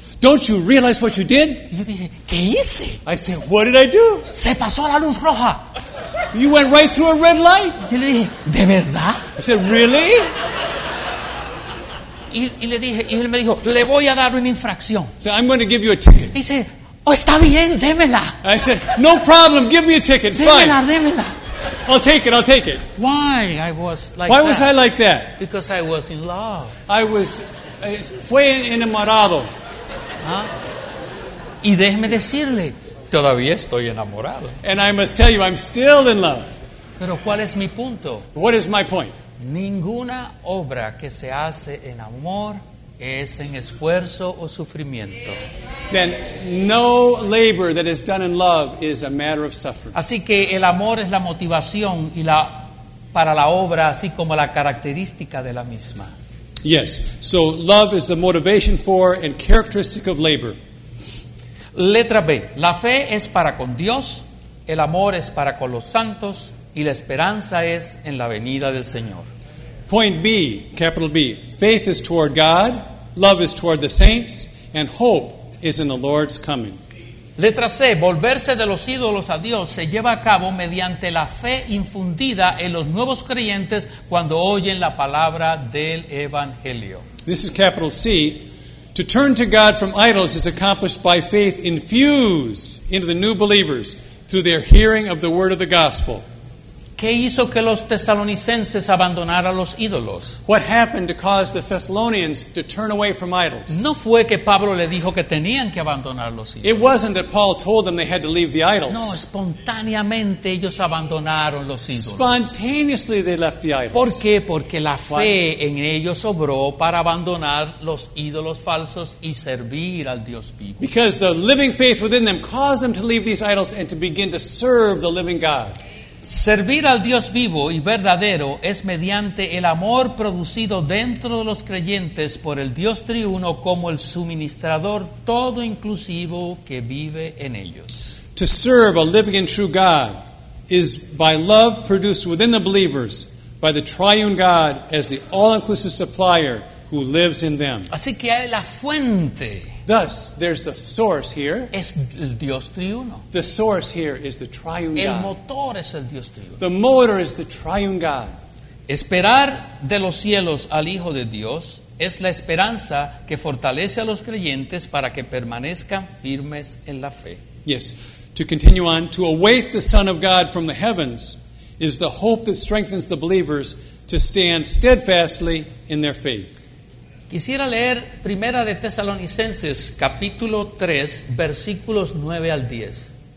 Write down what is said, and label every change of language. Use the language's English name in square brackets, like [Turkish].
[English] Don't you realize what you did? [Spanish] Y yo dije, ¿qué hice? [English] I said, what did I do? [Spanish] Se pasó la luz roja. [English] You went right through a red light. [Spanish] Y yo le dije, ¿de verdad? [English] I said, really? [Spanish] Y le dije, y él me dijo, le voy a dar una infracción. [English] So I'm going to give you a ticket. [Spanish] Y dice, oh, está bien, démela. [English] I said, no problem, give me a ticket, it's [Spanish] démela, [English] fine. [Spanish] Démela. [English] I'll take it. Why I was like Why that? Was I like that? Because I was in love. I was [Spanish] fue enamorado. ¿Ah? Y déjeme decirle, todavía estoy enamorado. [English] And I must tell you, I'm still in love. [Spanish] Pero ¿cuál es mi punto? [English] What is my point? [Spanish] Ninguna obra que se hace en amor es en esfuerzo o sufrimiento. [English] Then no labor that is done in love is a matter of suffering. [Spanish] Así que el amor es la motivación y la para la obra, así como la característica de la misma. [English] Yes, so love is the motivation for and characteristic of labor. [Spanish] Letra B. La fe es para con Dios, el amor es para con los santos y la esperanza es en la venida del Señor. [English] Point B, capital B. Faith is toward God, love is toward the saints, and hope is in the Lord's coming. [Spanish] Letra C. Volverse de los ídolos a Dios se lleva a cabo mediante la fe infundida en los nuevos creyentes cuando oyen la palabra del Evangelio. [English] This is capital C. To turn to God from idols is accomplished by faith infused into the new believers through their hearing of the word of the gospel. [Spanish] ¿Qué hizo que los tesalonicenses abandonaran los ídolos? [English] What happened to cause the Thessalonians to turn away from idols? [Spanish] No fue que Pablo le dijo que tenían que abandonar los ídolos. [English] It wasn't that Paul told them they had to leave the idols. [Spanish] No, espontáneamente ellos abandonaron los ídolos. [English] Spontaneously they left the idols. [Spanish] ¿Por qué? Porque la fe en ellos obró para abandonar los ídolos falsos y servir al Dios vivo. [English] Because the living faith within them caused them to leave these idols and to begin to serve the living God. [Spanish] Servir al Dios vivo y verdadero es mediante el amor producido dentro de los creyentes por el Dios triuno como el suministrador todo inclusivo que vive en ellos. [English] To serve a living and true God is by love produced within the believers by the triune God as the all-inclusive supplier who lives in them. [Spanish] Así que hay la fuente. [English] Thus, there's the source here. [Spanish] Es el Dios triuno. [English] The source here is the triune God. [Spanish] El motor es el Dios triuno. [English] The motor is the triune God. [Spanish] Esperar de los cielos al Hijo de Dios es la esperanza que fortalece a los creyentes para que permanezcan firmes en la fe. [English] Yes, to continue on, to await the Son of God from the heavens is the hope that strengthens the believers to stand steadfastly in their faith. [Spanish] Quisiera leer Primera de Tesalonicenses, capítulo 3, versículos 9 al 10.